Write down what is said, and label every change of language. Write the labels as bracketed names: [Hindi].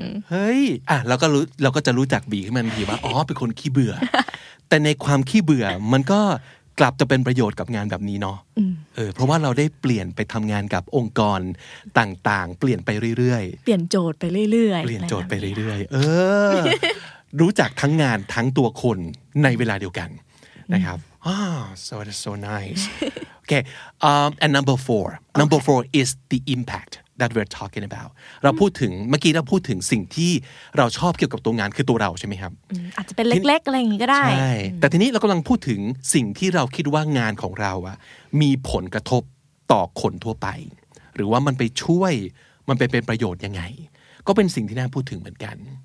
[Thai] เฮ้ยแล้วก็รู้เราก็จะรู้จักบีขึ้นมาทีว่าอ๋อเป็นคนขี้เบื่อแต่ในความขี้เบื่อมันก็กลับจะเป็นประโยชน์กับงานแบบนี้เนาะเพราะว่าเราได้เปลี่ยนไปทำงานกับองค์กรต่างๆเปลี่ยนไปเรื่อยๆ เปลี่ยนโจทย์ไปเรื่อยๆ เปลี่ยนโจทย์ไปเรื่อยๆรู้จักทั้งงานทั้งตัวคนในเวลาเดียวกันนะครับ [English] so it is so nice. Okay, and number four. Okay. Number four is the impact that we're talking about. [Thai] เราพูดถึงเมื่อกี้เราพูดถึงสิ่งที่เราชอบเกี่ยวกับตัวงานคือตัวเราใช่ไหมครับ อาจจะเป็นเล็กๆอะไรอย่างงี้ก็ได้ ใช่แต่ทีนี้เรากำลังพูดถึงสิ่งที่เราคิดว่างานของเราอะมีผลกระทบต่อคนทั่วไปหรือว่ามันไปช่วยมันเป็นประโยชน์ยังไงก็เป็นสิ่งที่น่าพูดถึงเหมือนกัน